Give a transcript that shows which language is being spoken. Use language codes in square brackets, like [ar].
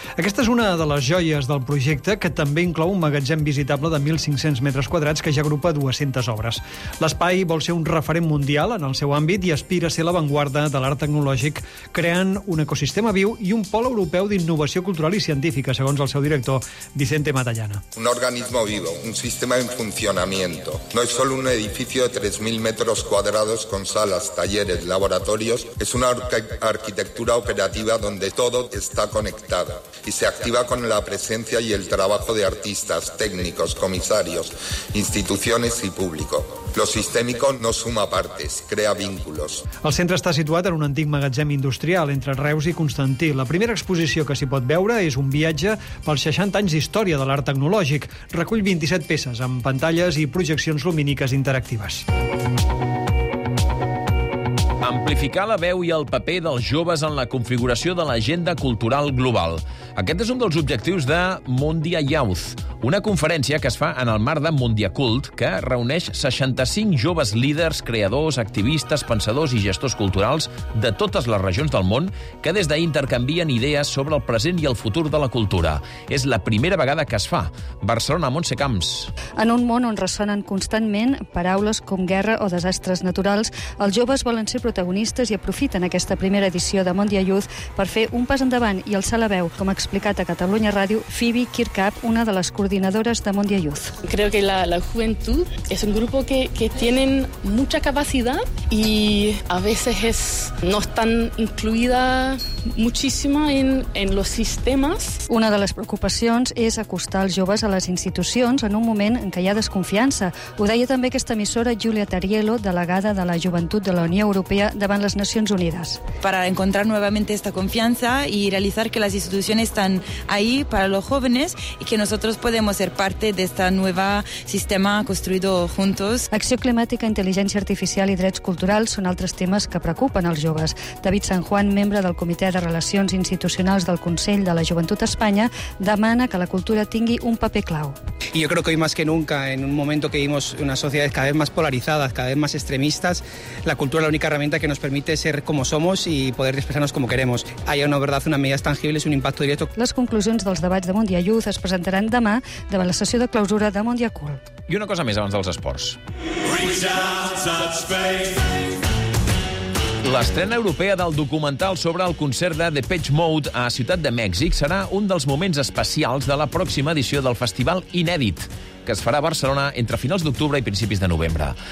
[ca] Aquesta és una de les joies del projecte, que també inclou un magatzem visitable de 1.500 metres quadrats que ja agrupa 200 obres. L'espai vol ser un referent mundial en el seu àmbit i aspira a ser l'avantguarda de l'art tecnològic, creant un ecosistema viu i un pol europeu d'innovació cultural i científica, segons el seu director, Vicente Matallana. [es] Un organismo vivo, un sistema en funcionamiento. No es solo un edificio de 3.000 metros cuadrados con salas, talleres, laboratorios, es una arquitectura operativa donde todo está conectado y se activa con la presencia y el trabajo de artistas, técnicos, comisarios, instituciones y público. Lo sistémico no suma partes, crea vínculos. [ca] El centre està situat en un antic magatzem industrial entre Reus i Constantí. La primera exposició que s'hi pot veure és un viatge pels 60 anys d'història de l'art tecnològic. Recull 27 peces amb pantalles i projeccions lumíniques interactives. Amplificar la veu i el paper dels joves en la configuració de l'agenda cultural global. Aquest és un dels objectius de Mundia Youth, una conferència que es fa en el marc de Mundia Cult, que reuneix 65 joves líders, creadors, activistes, pensadors i gestors culturals de totes les regions del món que des d'ahir intercanvien idees sobre el present i el futur de la cultura. És la primera vegada que es fa. Barcelona, Montse Camps. En un món on ressonen constantment paraules com guerra o desastres naturals, els joves volen ser protagonistes i aprofiten aquesta primera edició de Mundia Youth per fer un pas endavant i alçar la veu, com ha explicat a Catalunya Ràdio Phoebe Kirkup, una de les coordinadores de Mundia Youth. [es] Creo que la juventud es un grupo que tienen mucha capacidad y a veces no están incluidas muchísimo en los sistemas. [ca] Una de les preocupacions és acostar els joves a les institucions en un moment en què hi ha desconfiança. Ho deia també aquesta emissora Giulia Tariello, delegada de la Joventut de la Unió Europea davant les Nacions Unides. [es] Para encontrar nuevamente esta confianza y realizar que las instituciones están ahí para los jóvenes y que nosotros podemos ser parte de esta nueva sistema construido juntos. [ca] Acció climàtica, intel·ligència artificial i drets culturals són altres temes que preocupen els joves. David San Juan, membre del Comitè de Relacions Institucionals del Consell de la Joventut Espanya, demana que la cultura tingui un paper clau. [es] Y yo creo que hoy más que nunca, en un momento que vivimos unas sociedades cada vez más polarizadas, cada vez más extremistas, la cultura es la única herramienta que nos permite ser como somos y poder expresarnos como queremos. Hay una verdad, unas medidas tangibles, un impacto directo. [ca] Les conclusions dels debats de Mundia Youth es presentaran demà davant la sessió de clausura de Mundia Cool. I una cosa més abans dels esports. L'estrena europea del documental sobre el concert de Depeche Mode a Ciutat de Mèxic serà un dels moments especials de la pròxima edició del Festival Inèdit, que es farà a Barcelona entre finals d'octubre i principis de novembre.